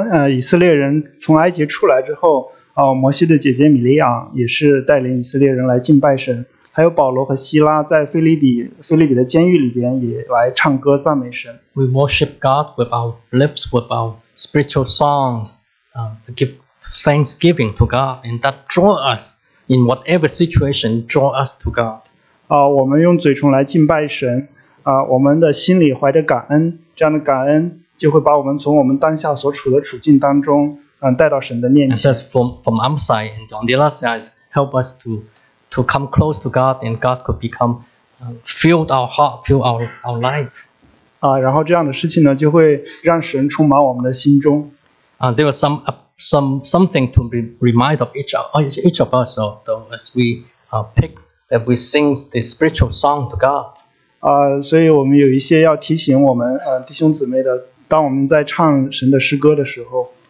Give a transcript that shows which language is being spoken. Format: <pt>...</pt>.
<zh>以色列人从埃及出来之后，摩西的姐姐米利亚也是带领以色列人来敬拜神，还有保罗和希拉在腓立比的监狱里边也来唱歌赞美神。</zh> <en>We worship God with our lips, with our spiritual songs, give thanksgiving to God, and that draw us in whatever situation, draw us to God.</en> <zh>我们用嘴唇来敬拜神，我们的心里怀着感恩，这样的感恩就会把我们从我们当下所处的处境当中，带到神的面前。</zh> <en>And that's from our side, and on the other side, help us to come close to God, and God could become filled our heart, fill our life.</en> <zh>然后这样的事情呢，就会让神充满我们的心中。</zh> <en>There was something to be reminded of each of us, though, as we pick that we sing the spiritual song to God.</en> <zh>所以我们有一些要提醒我们弟兄姊妹的，当我们在唱神的诗歌的时候。</zh>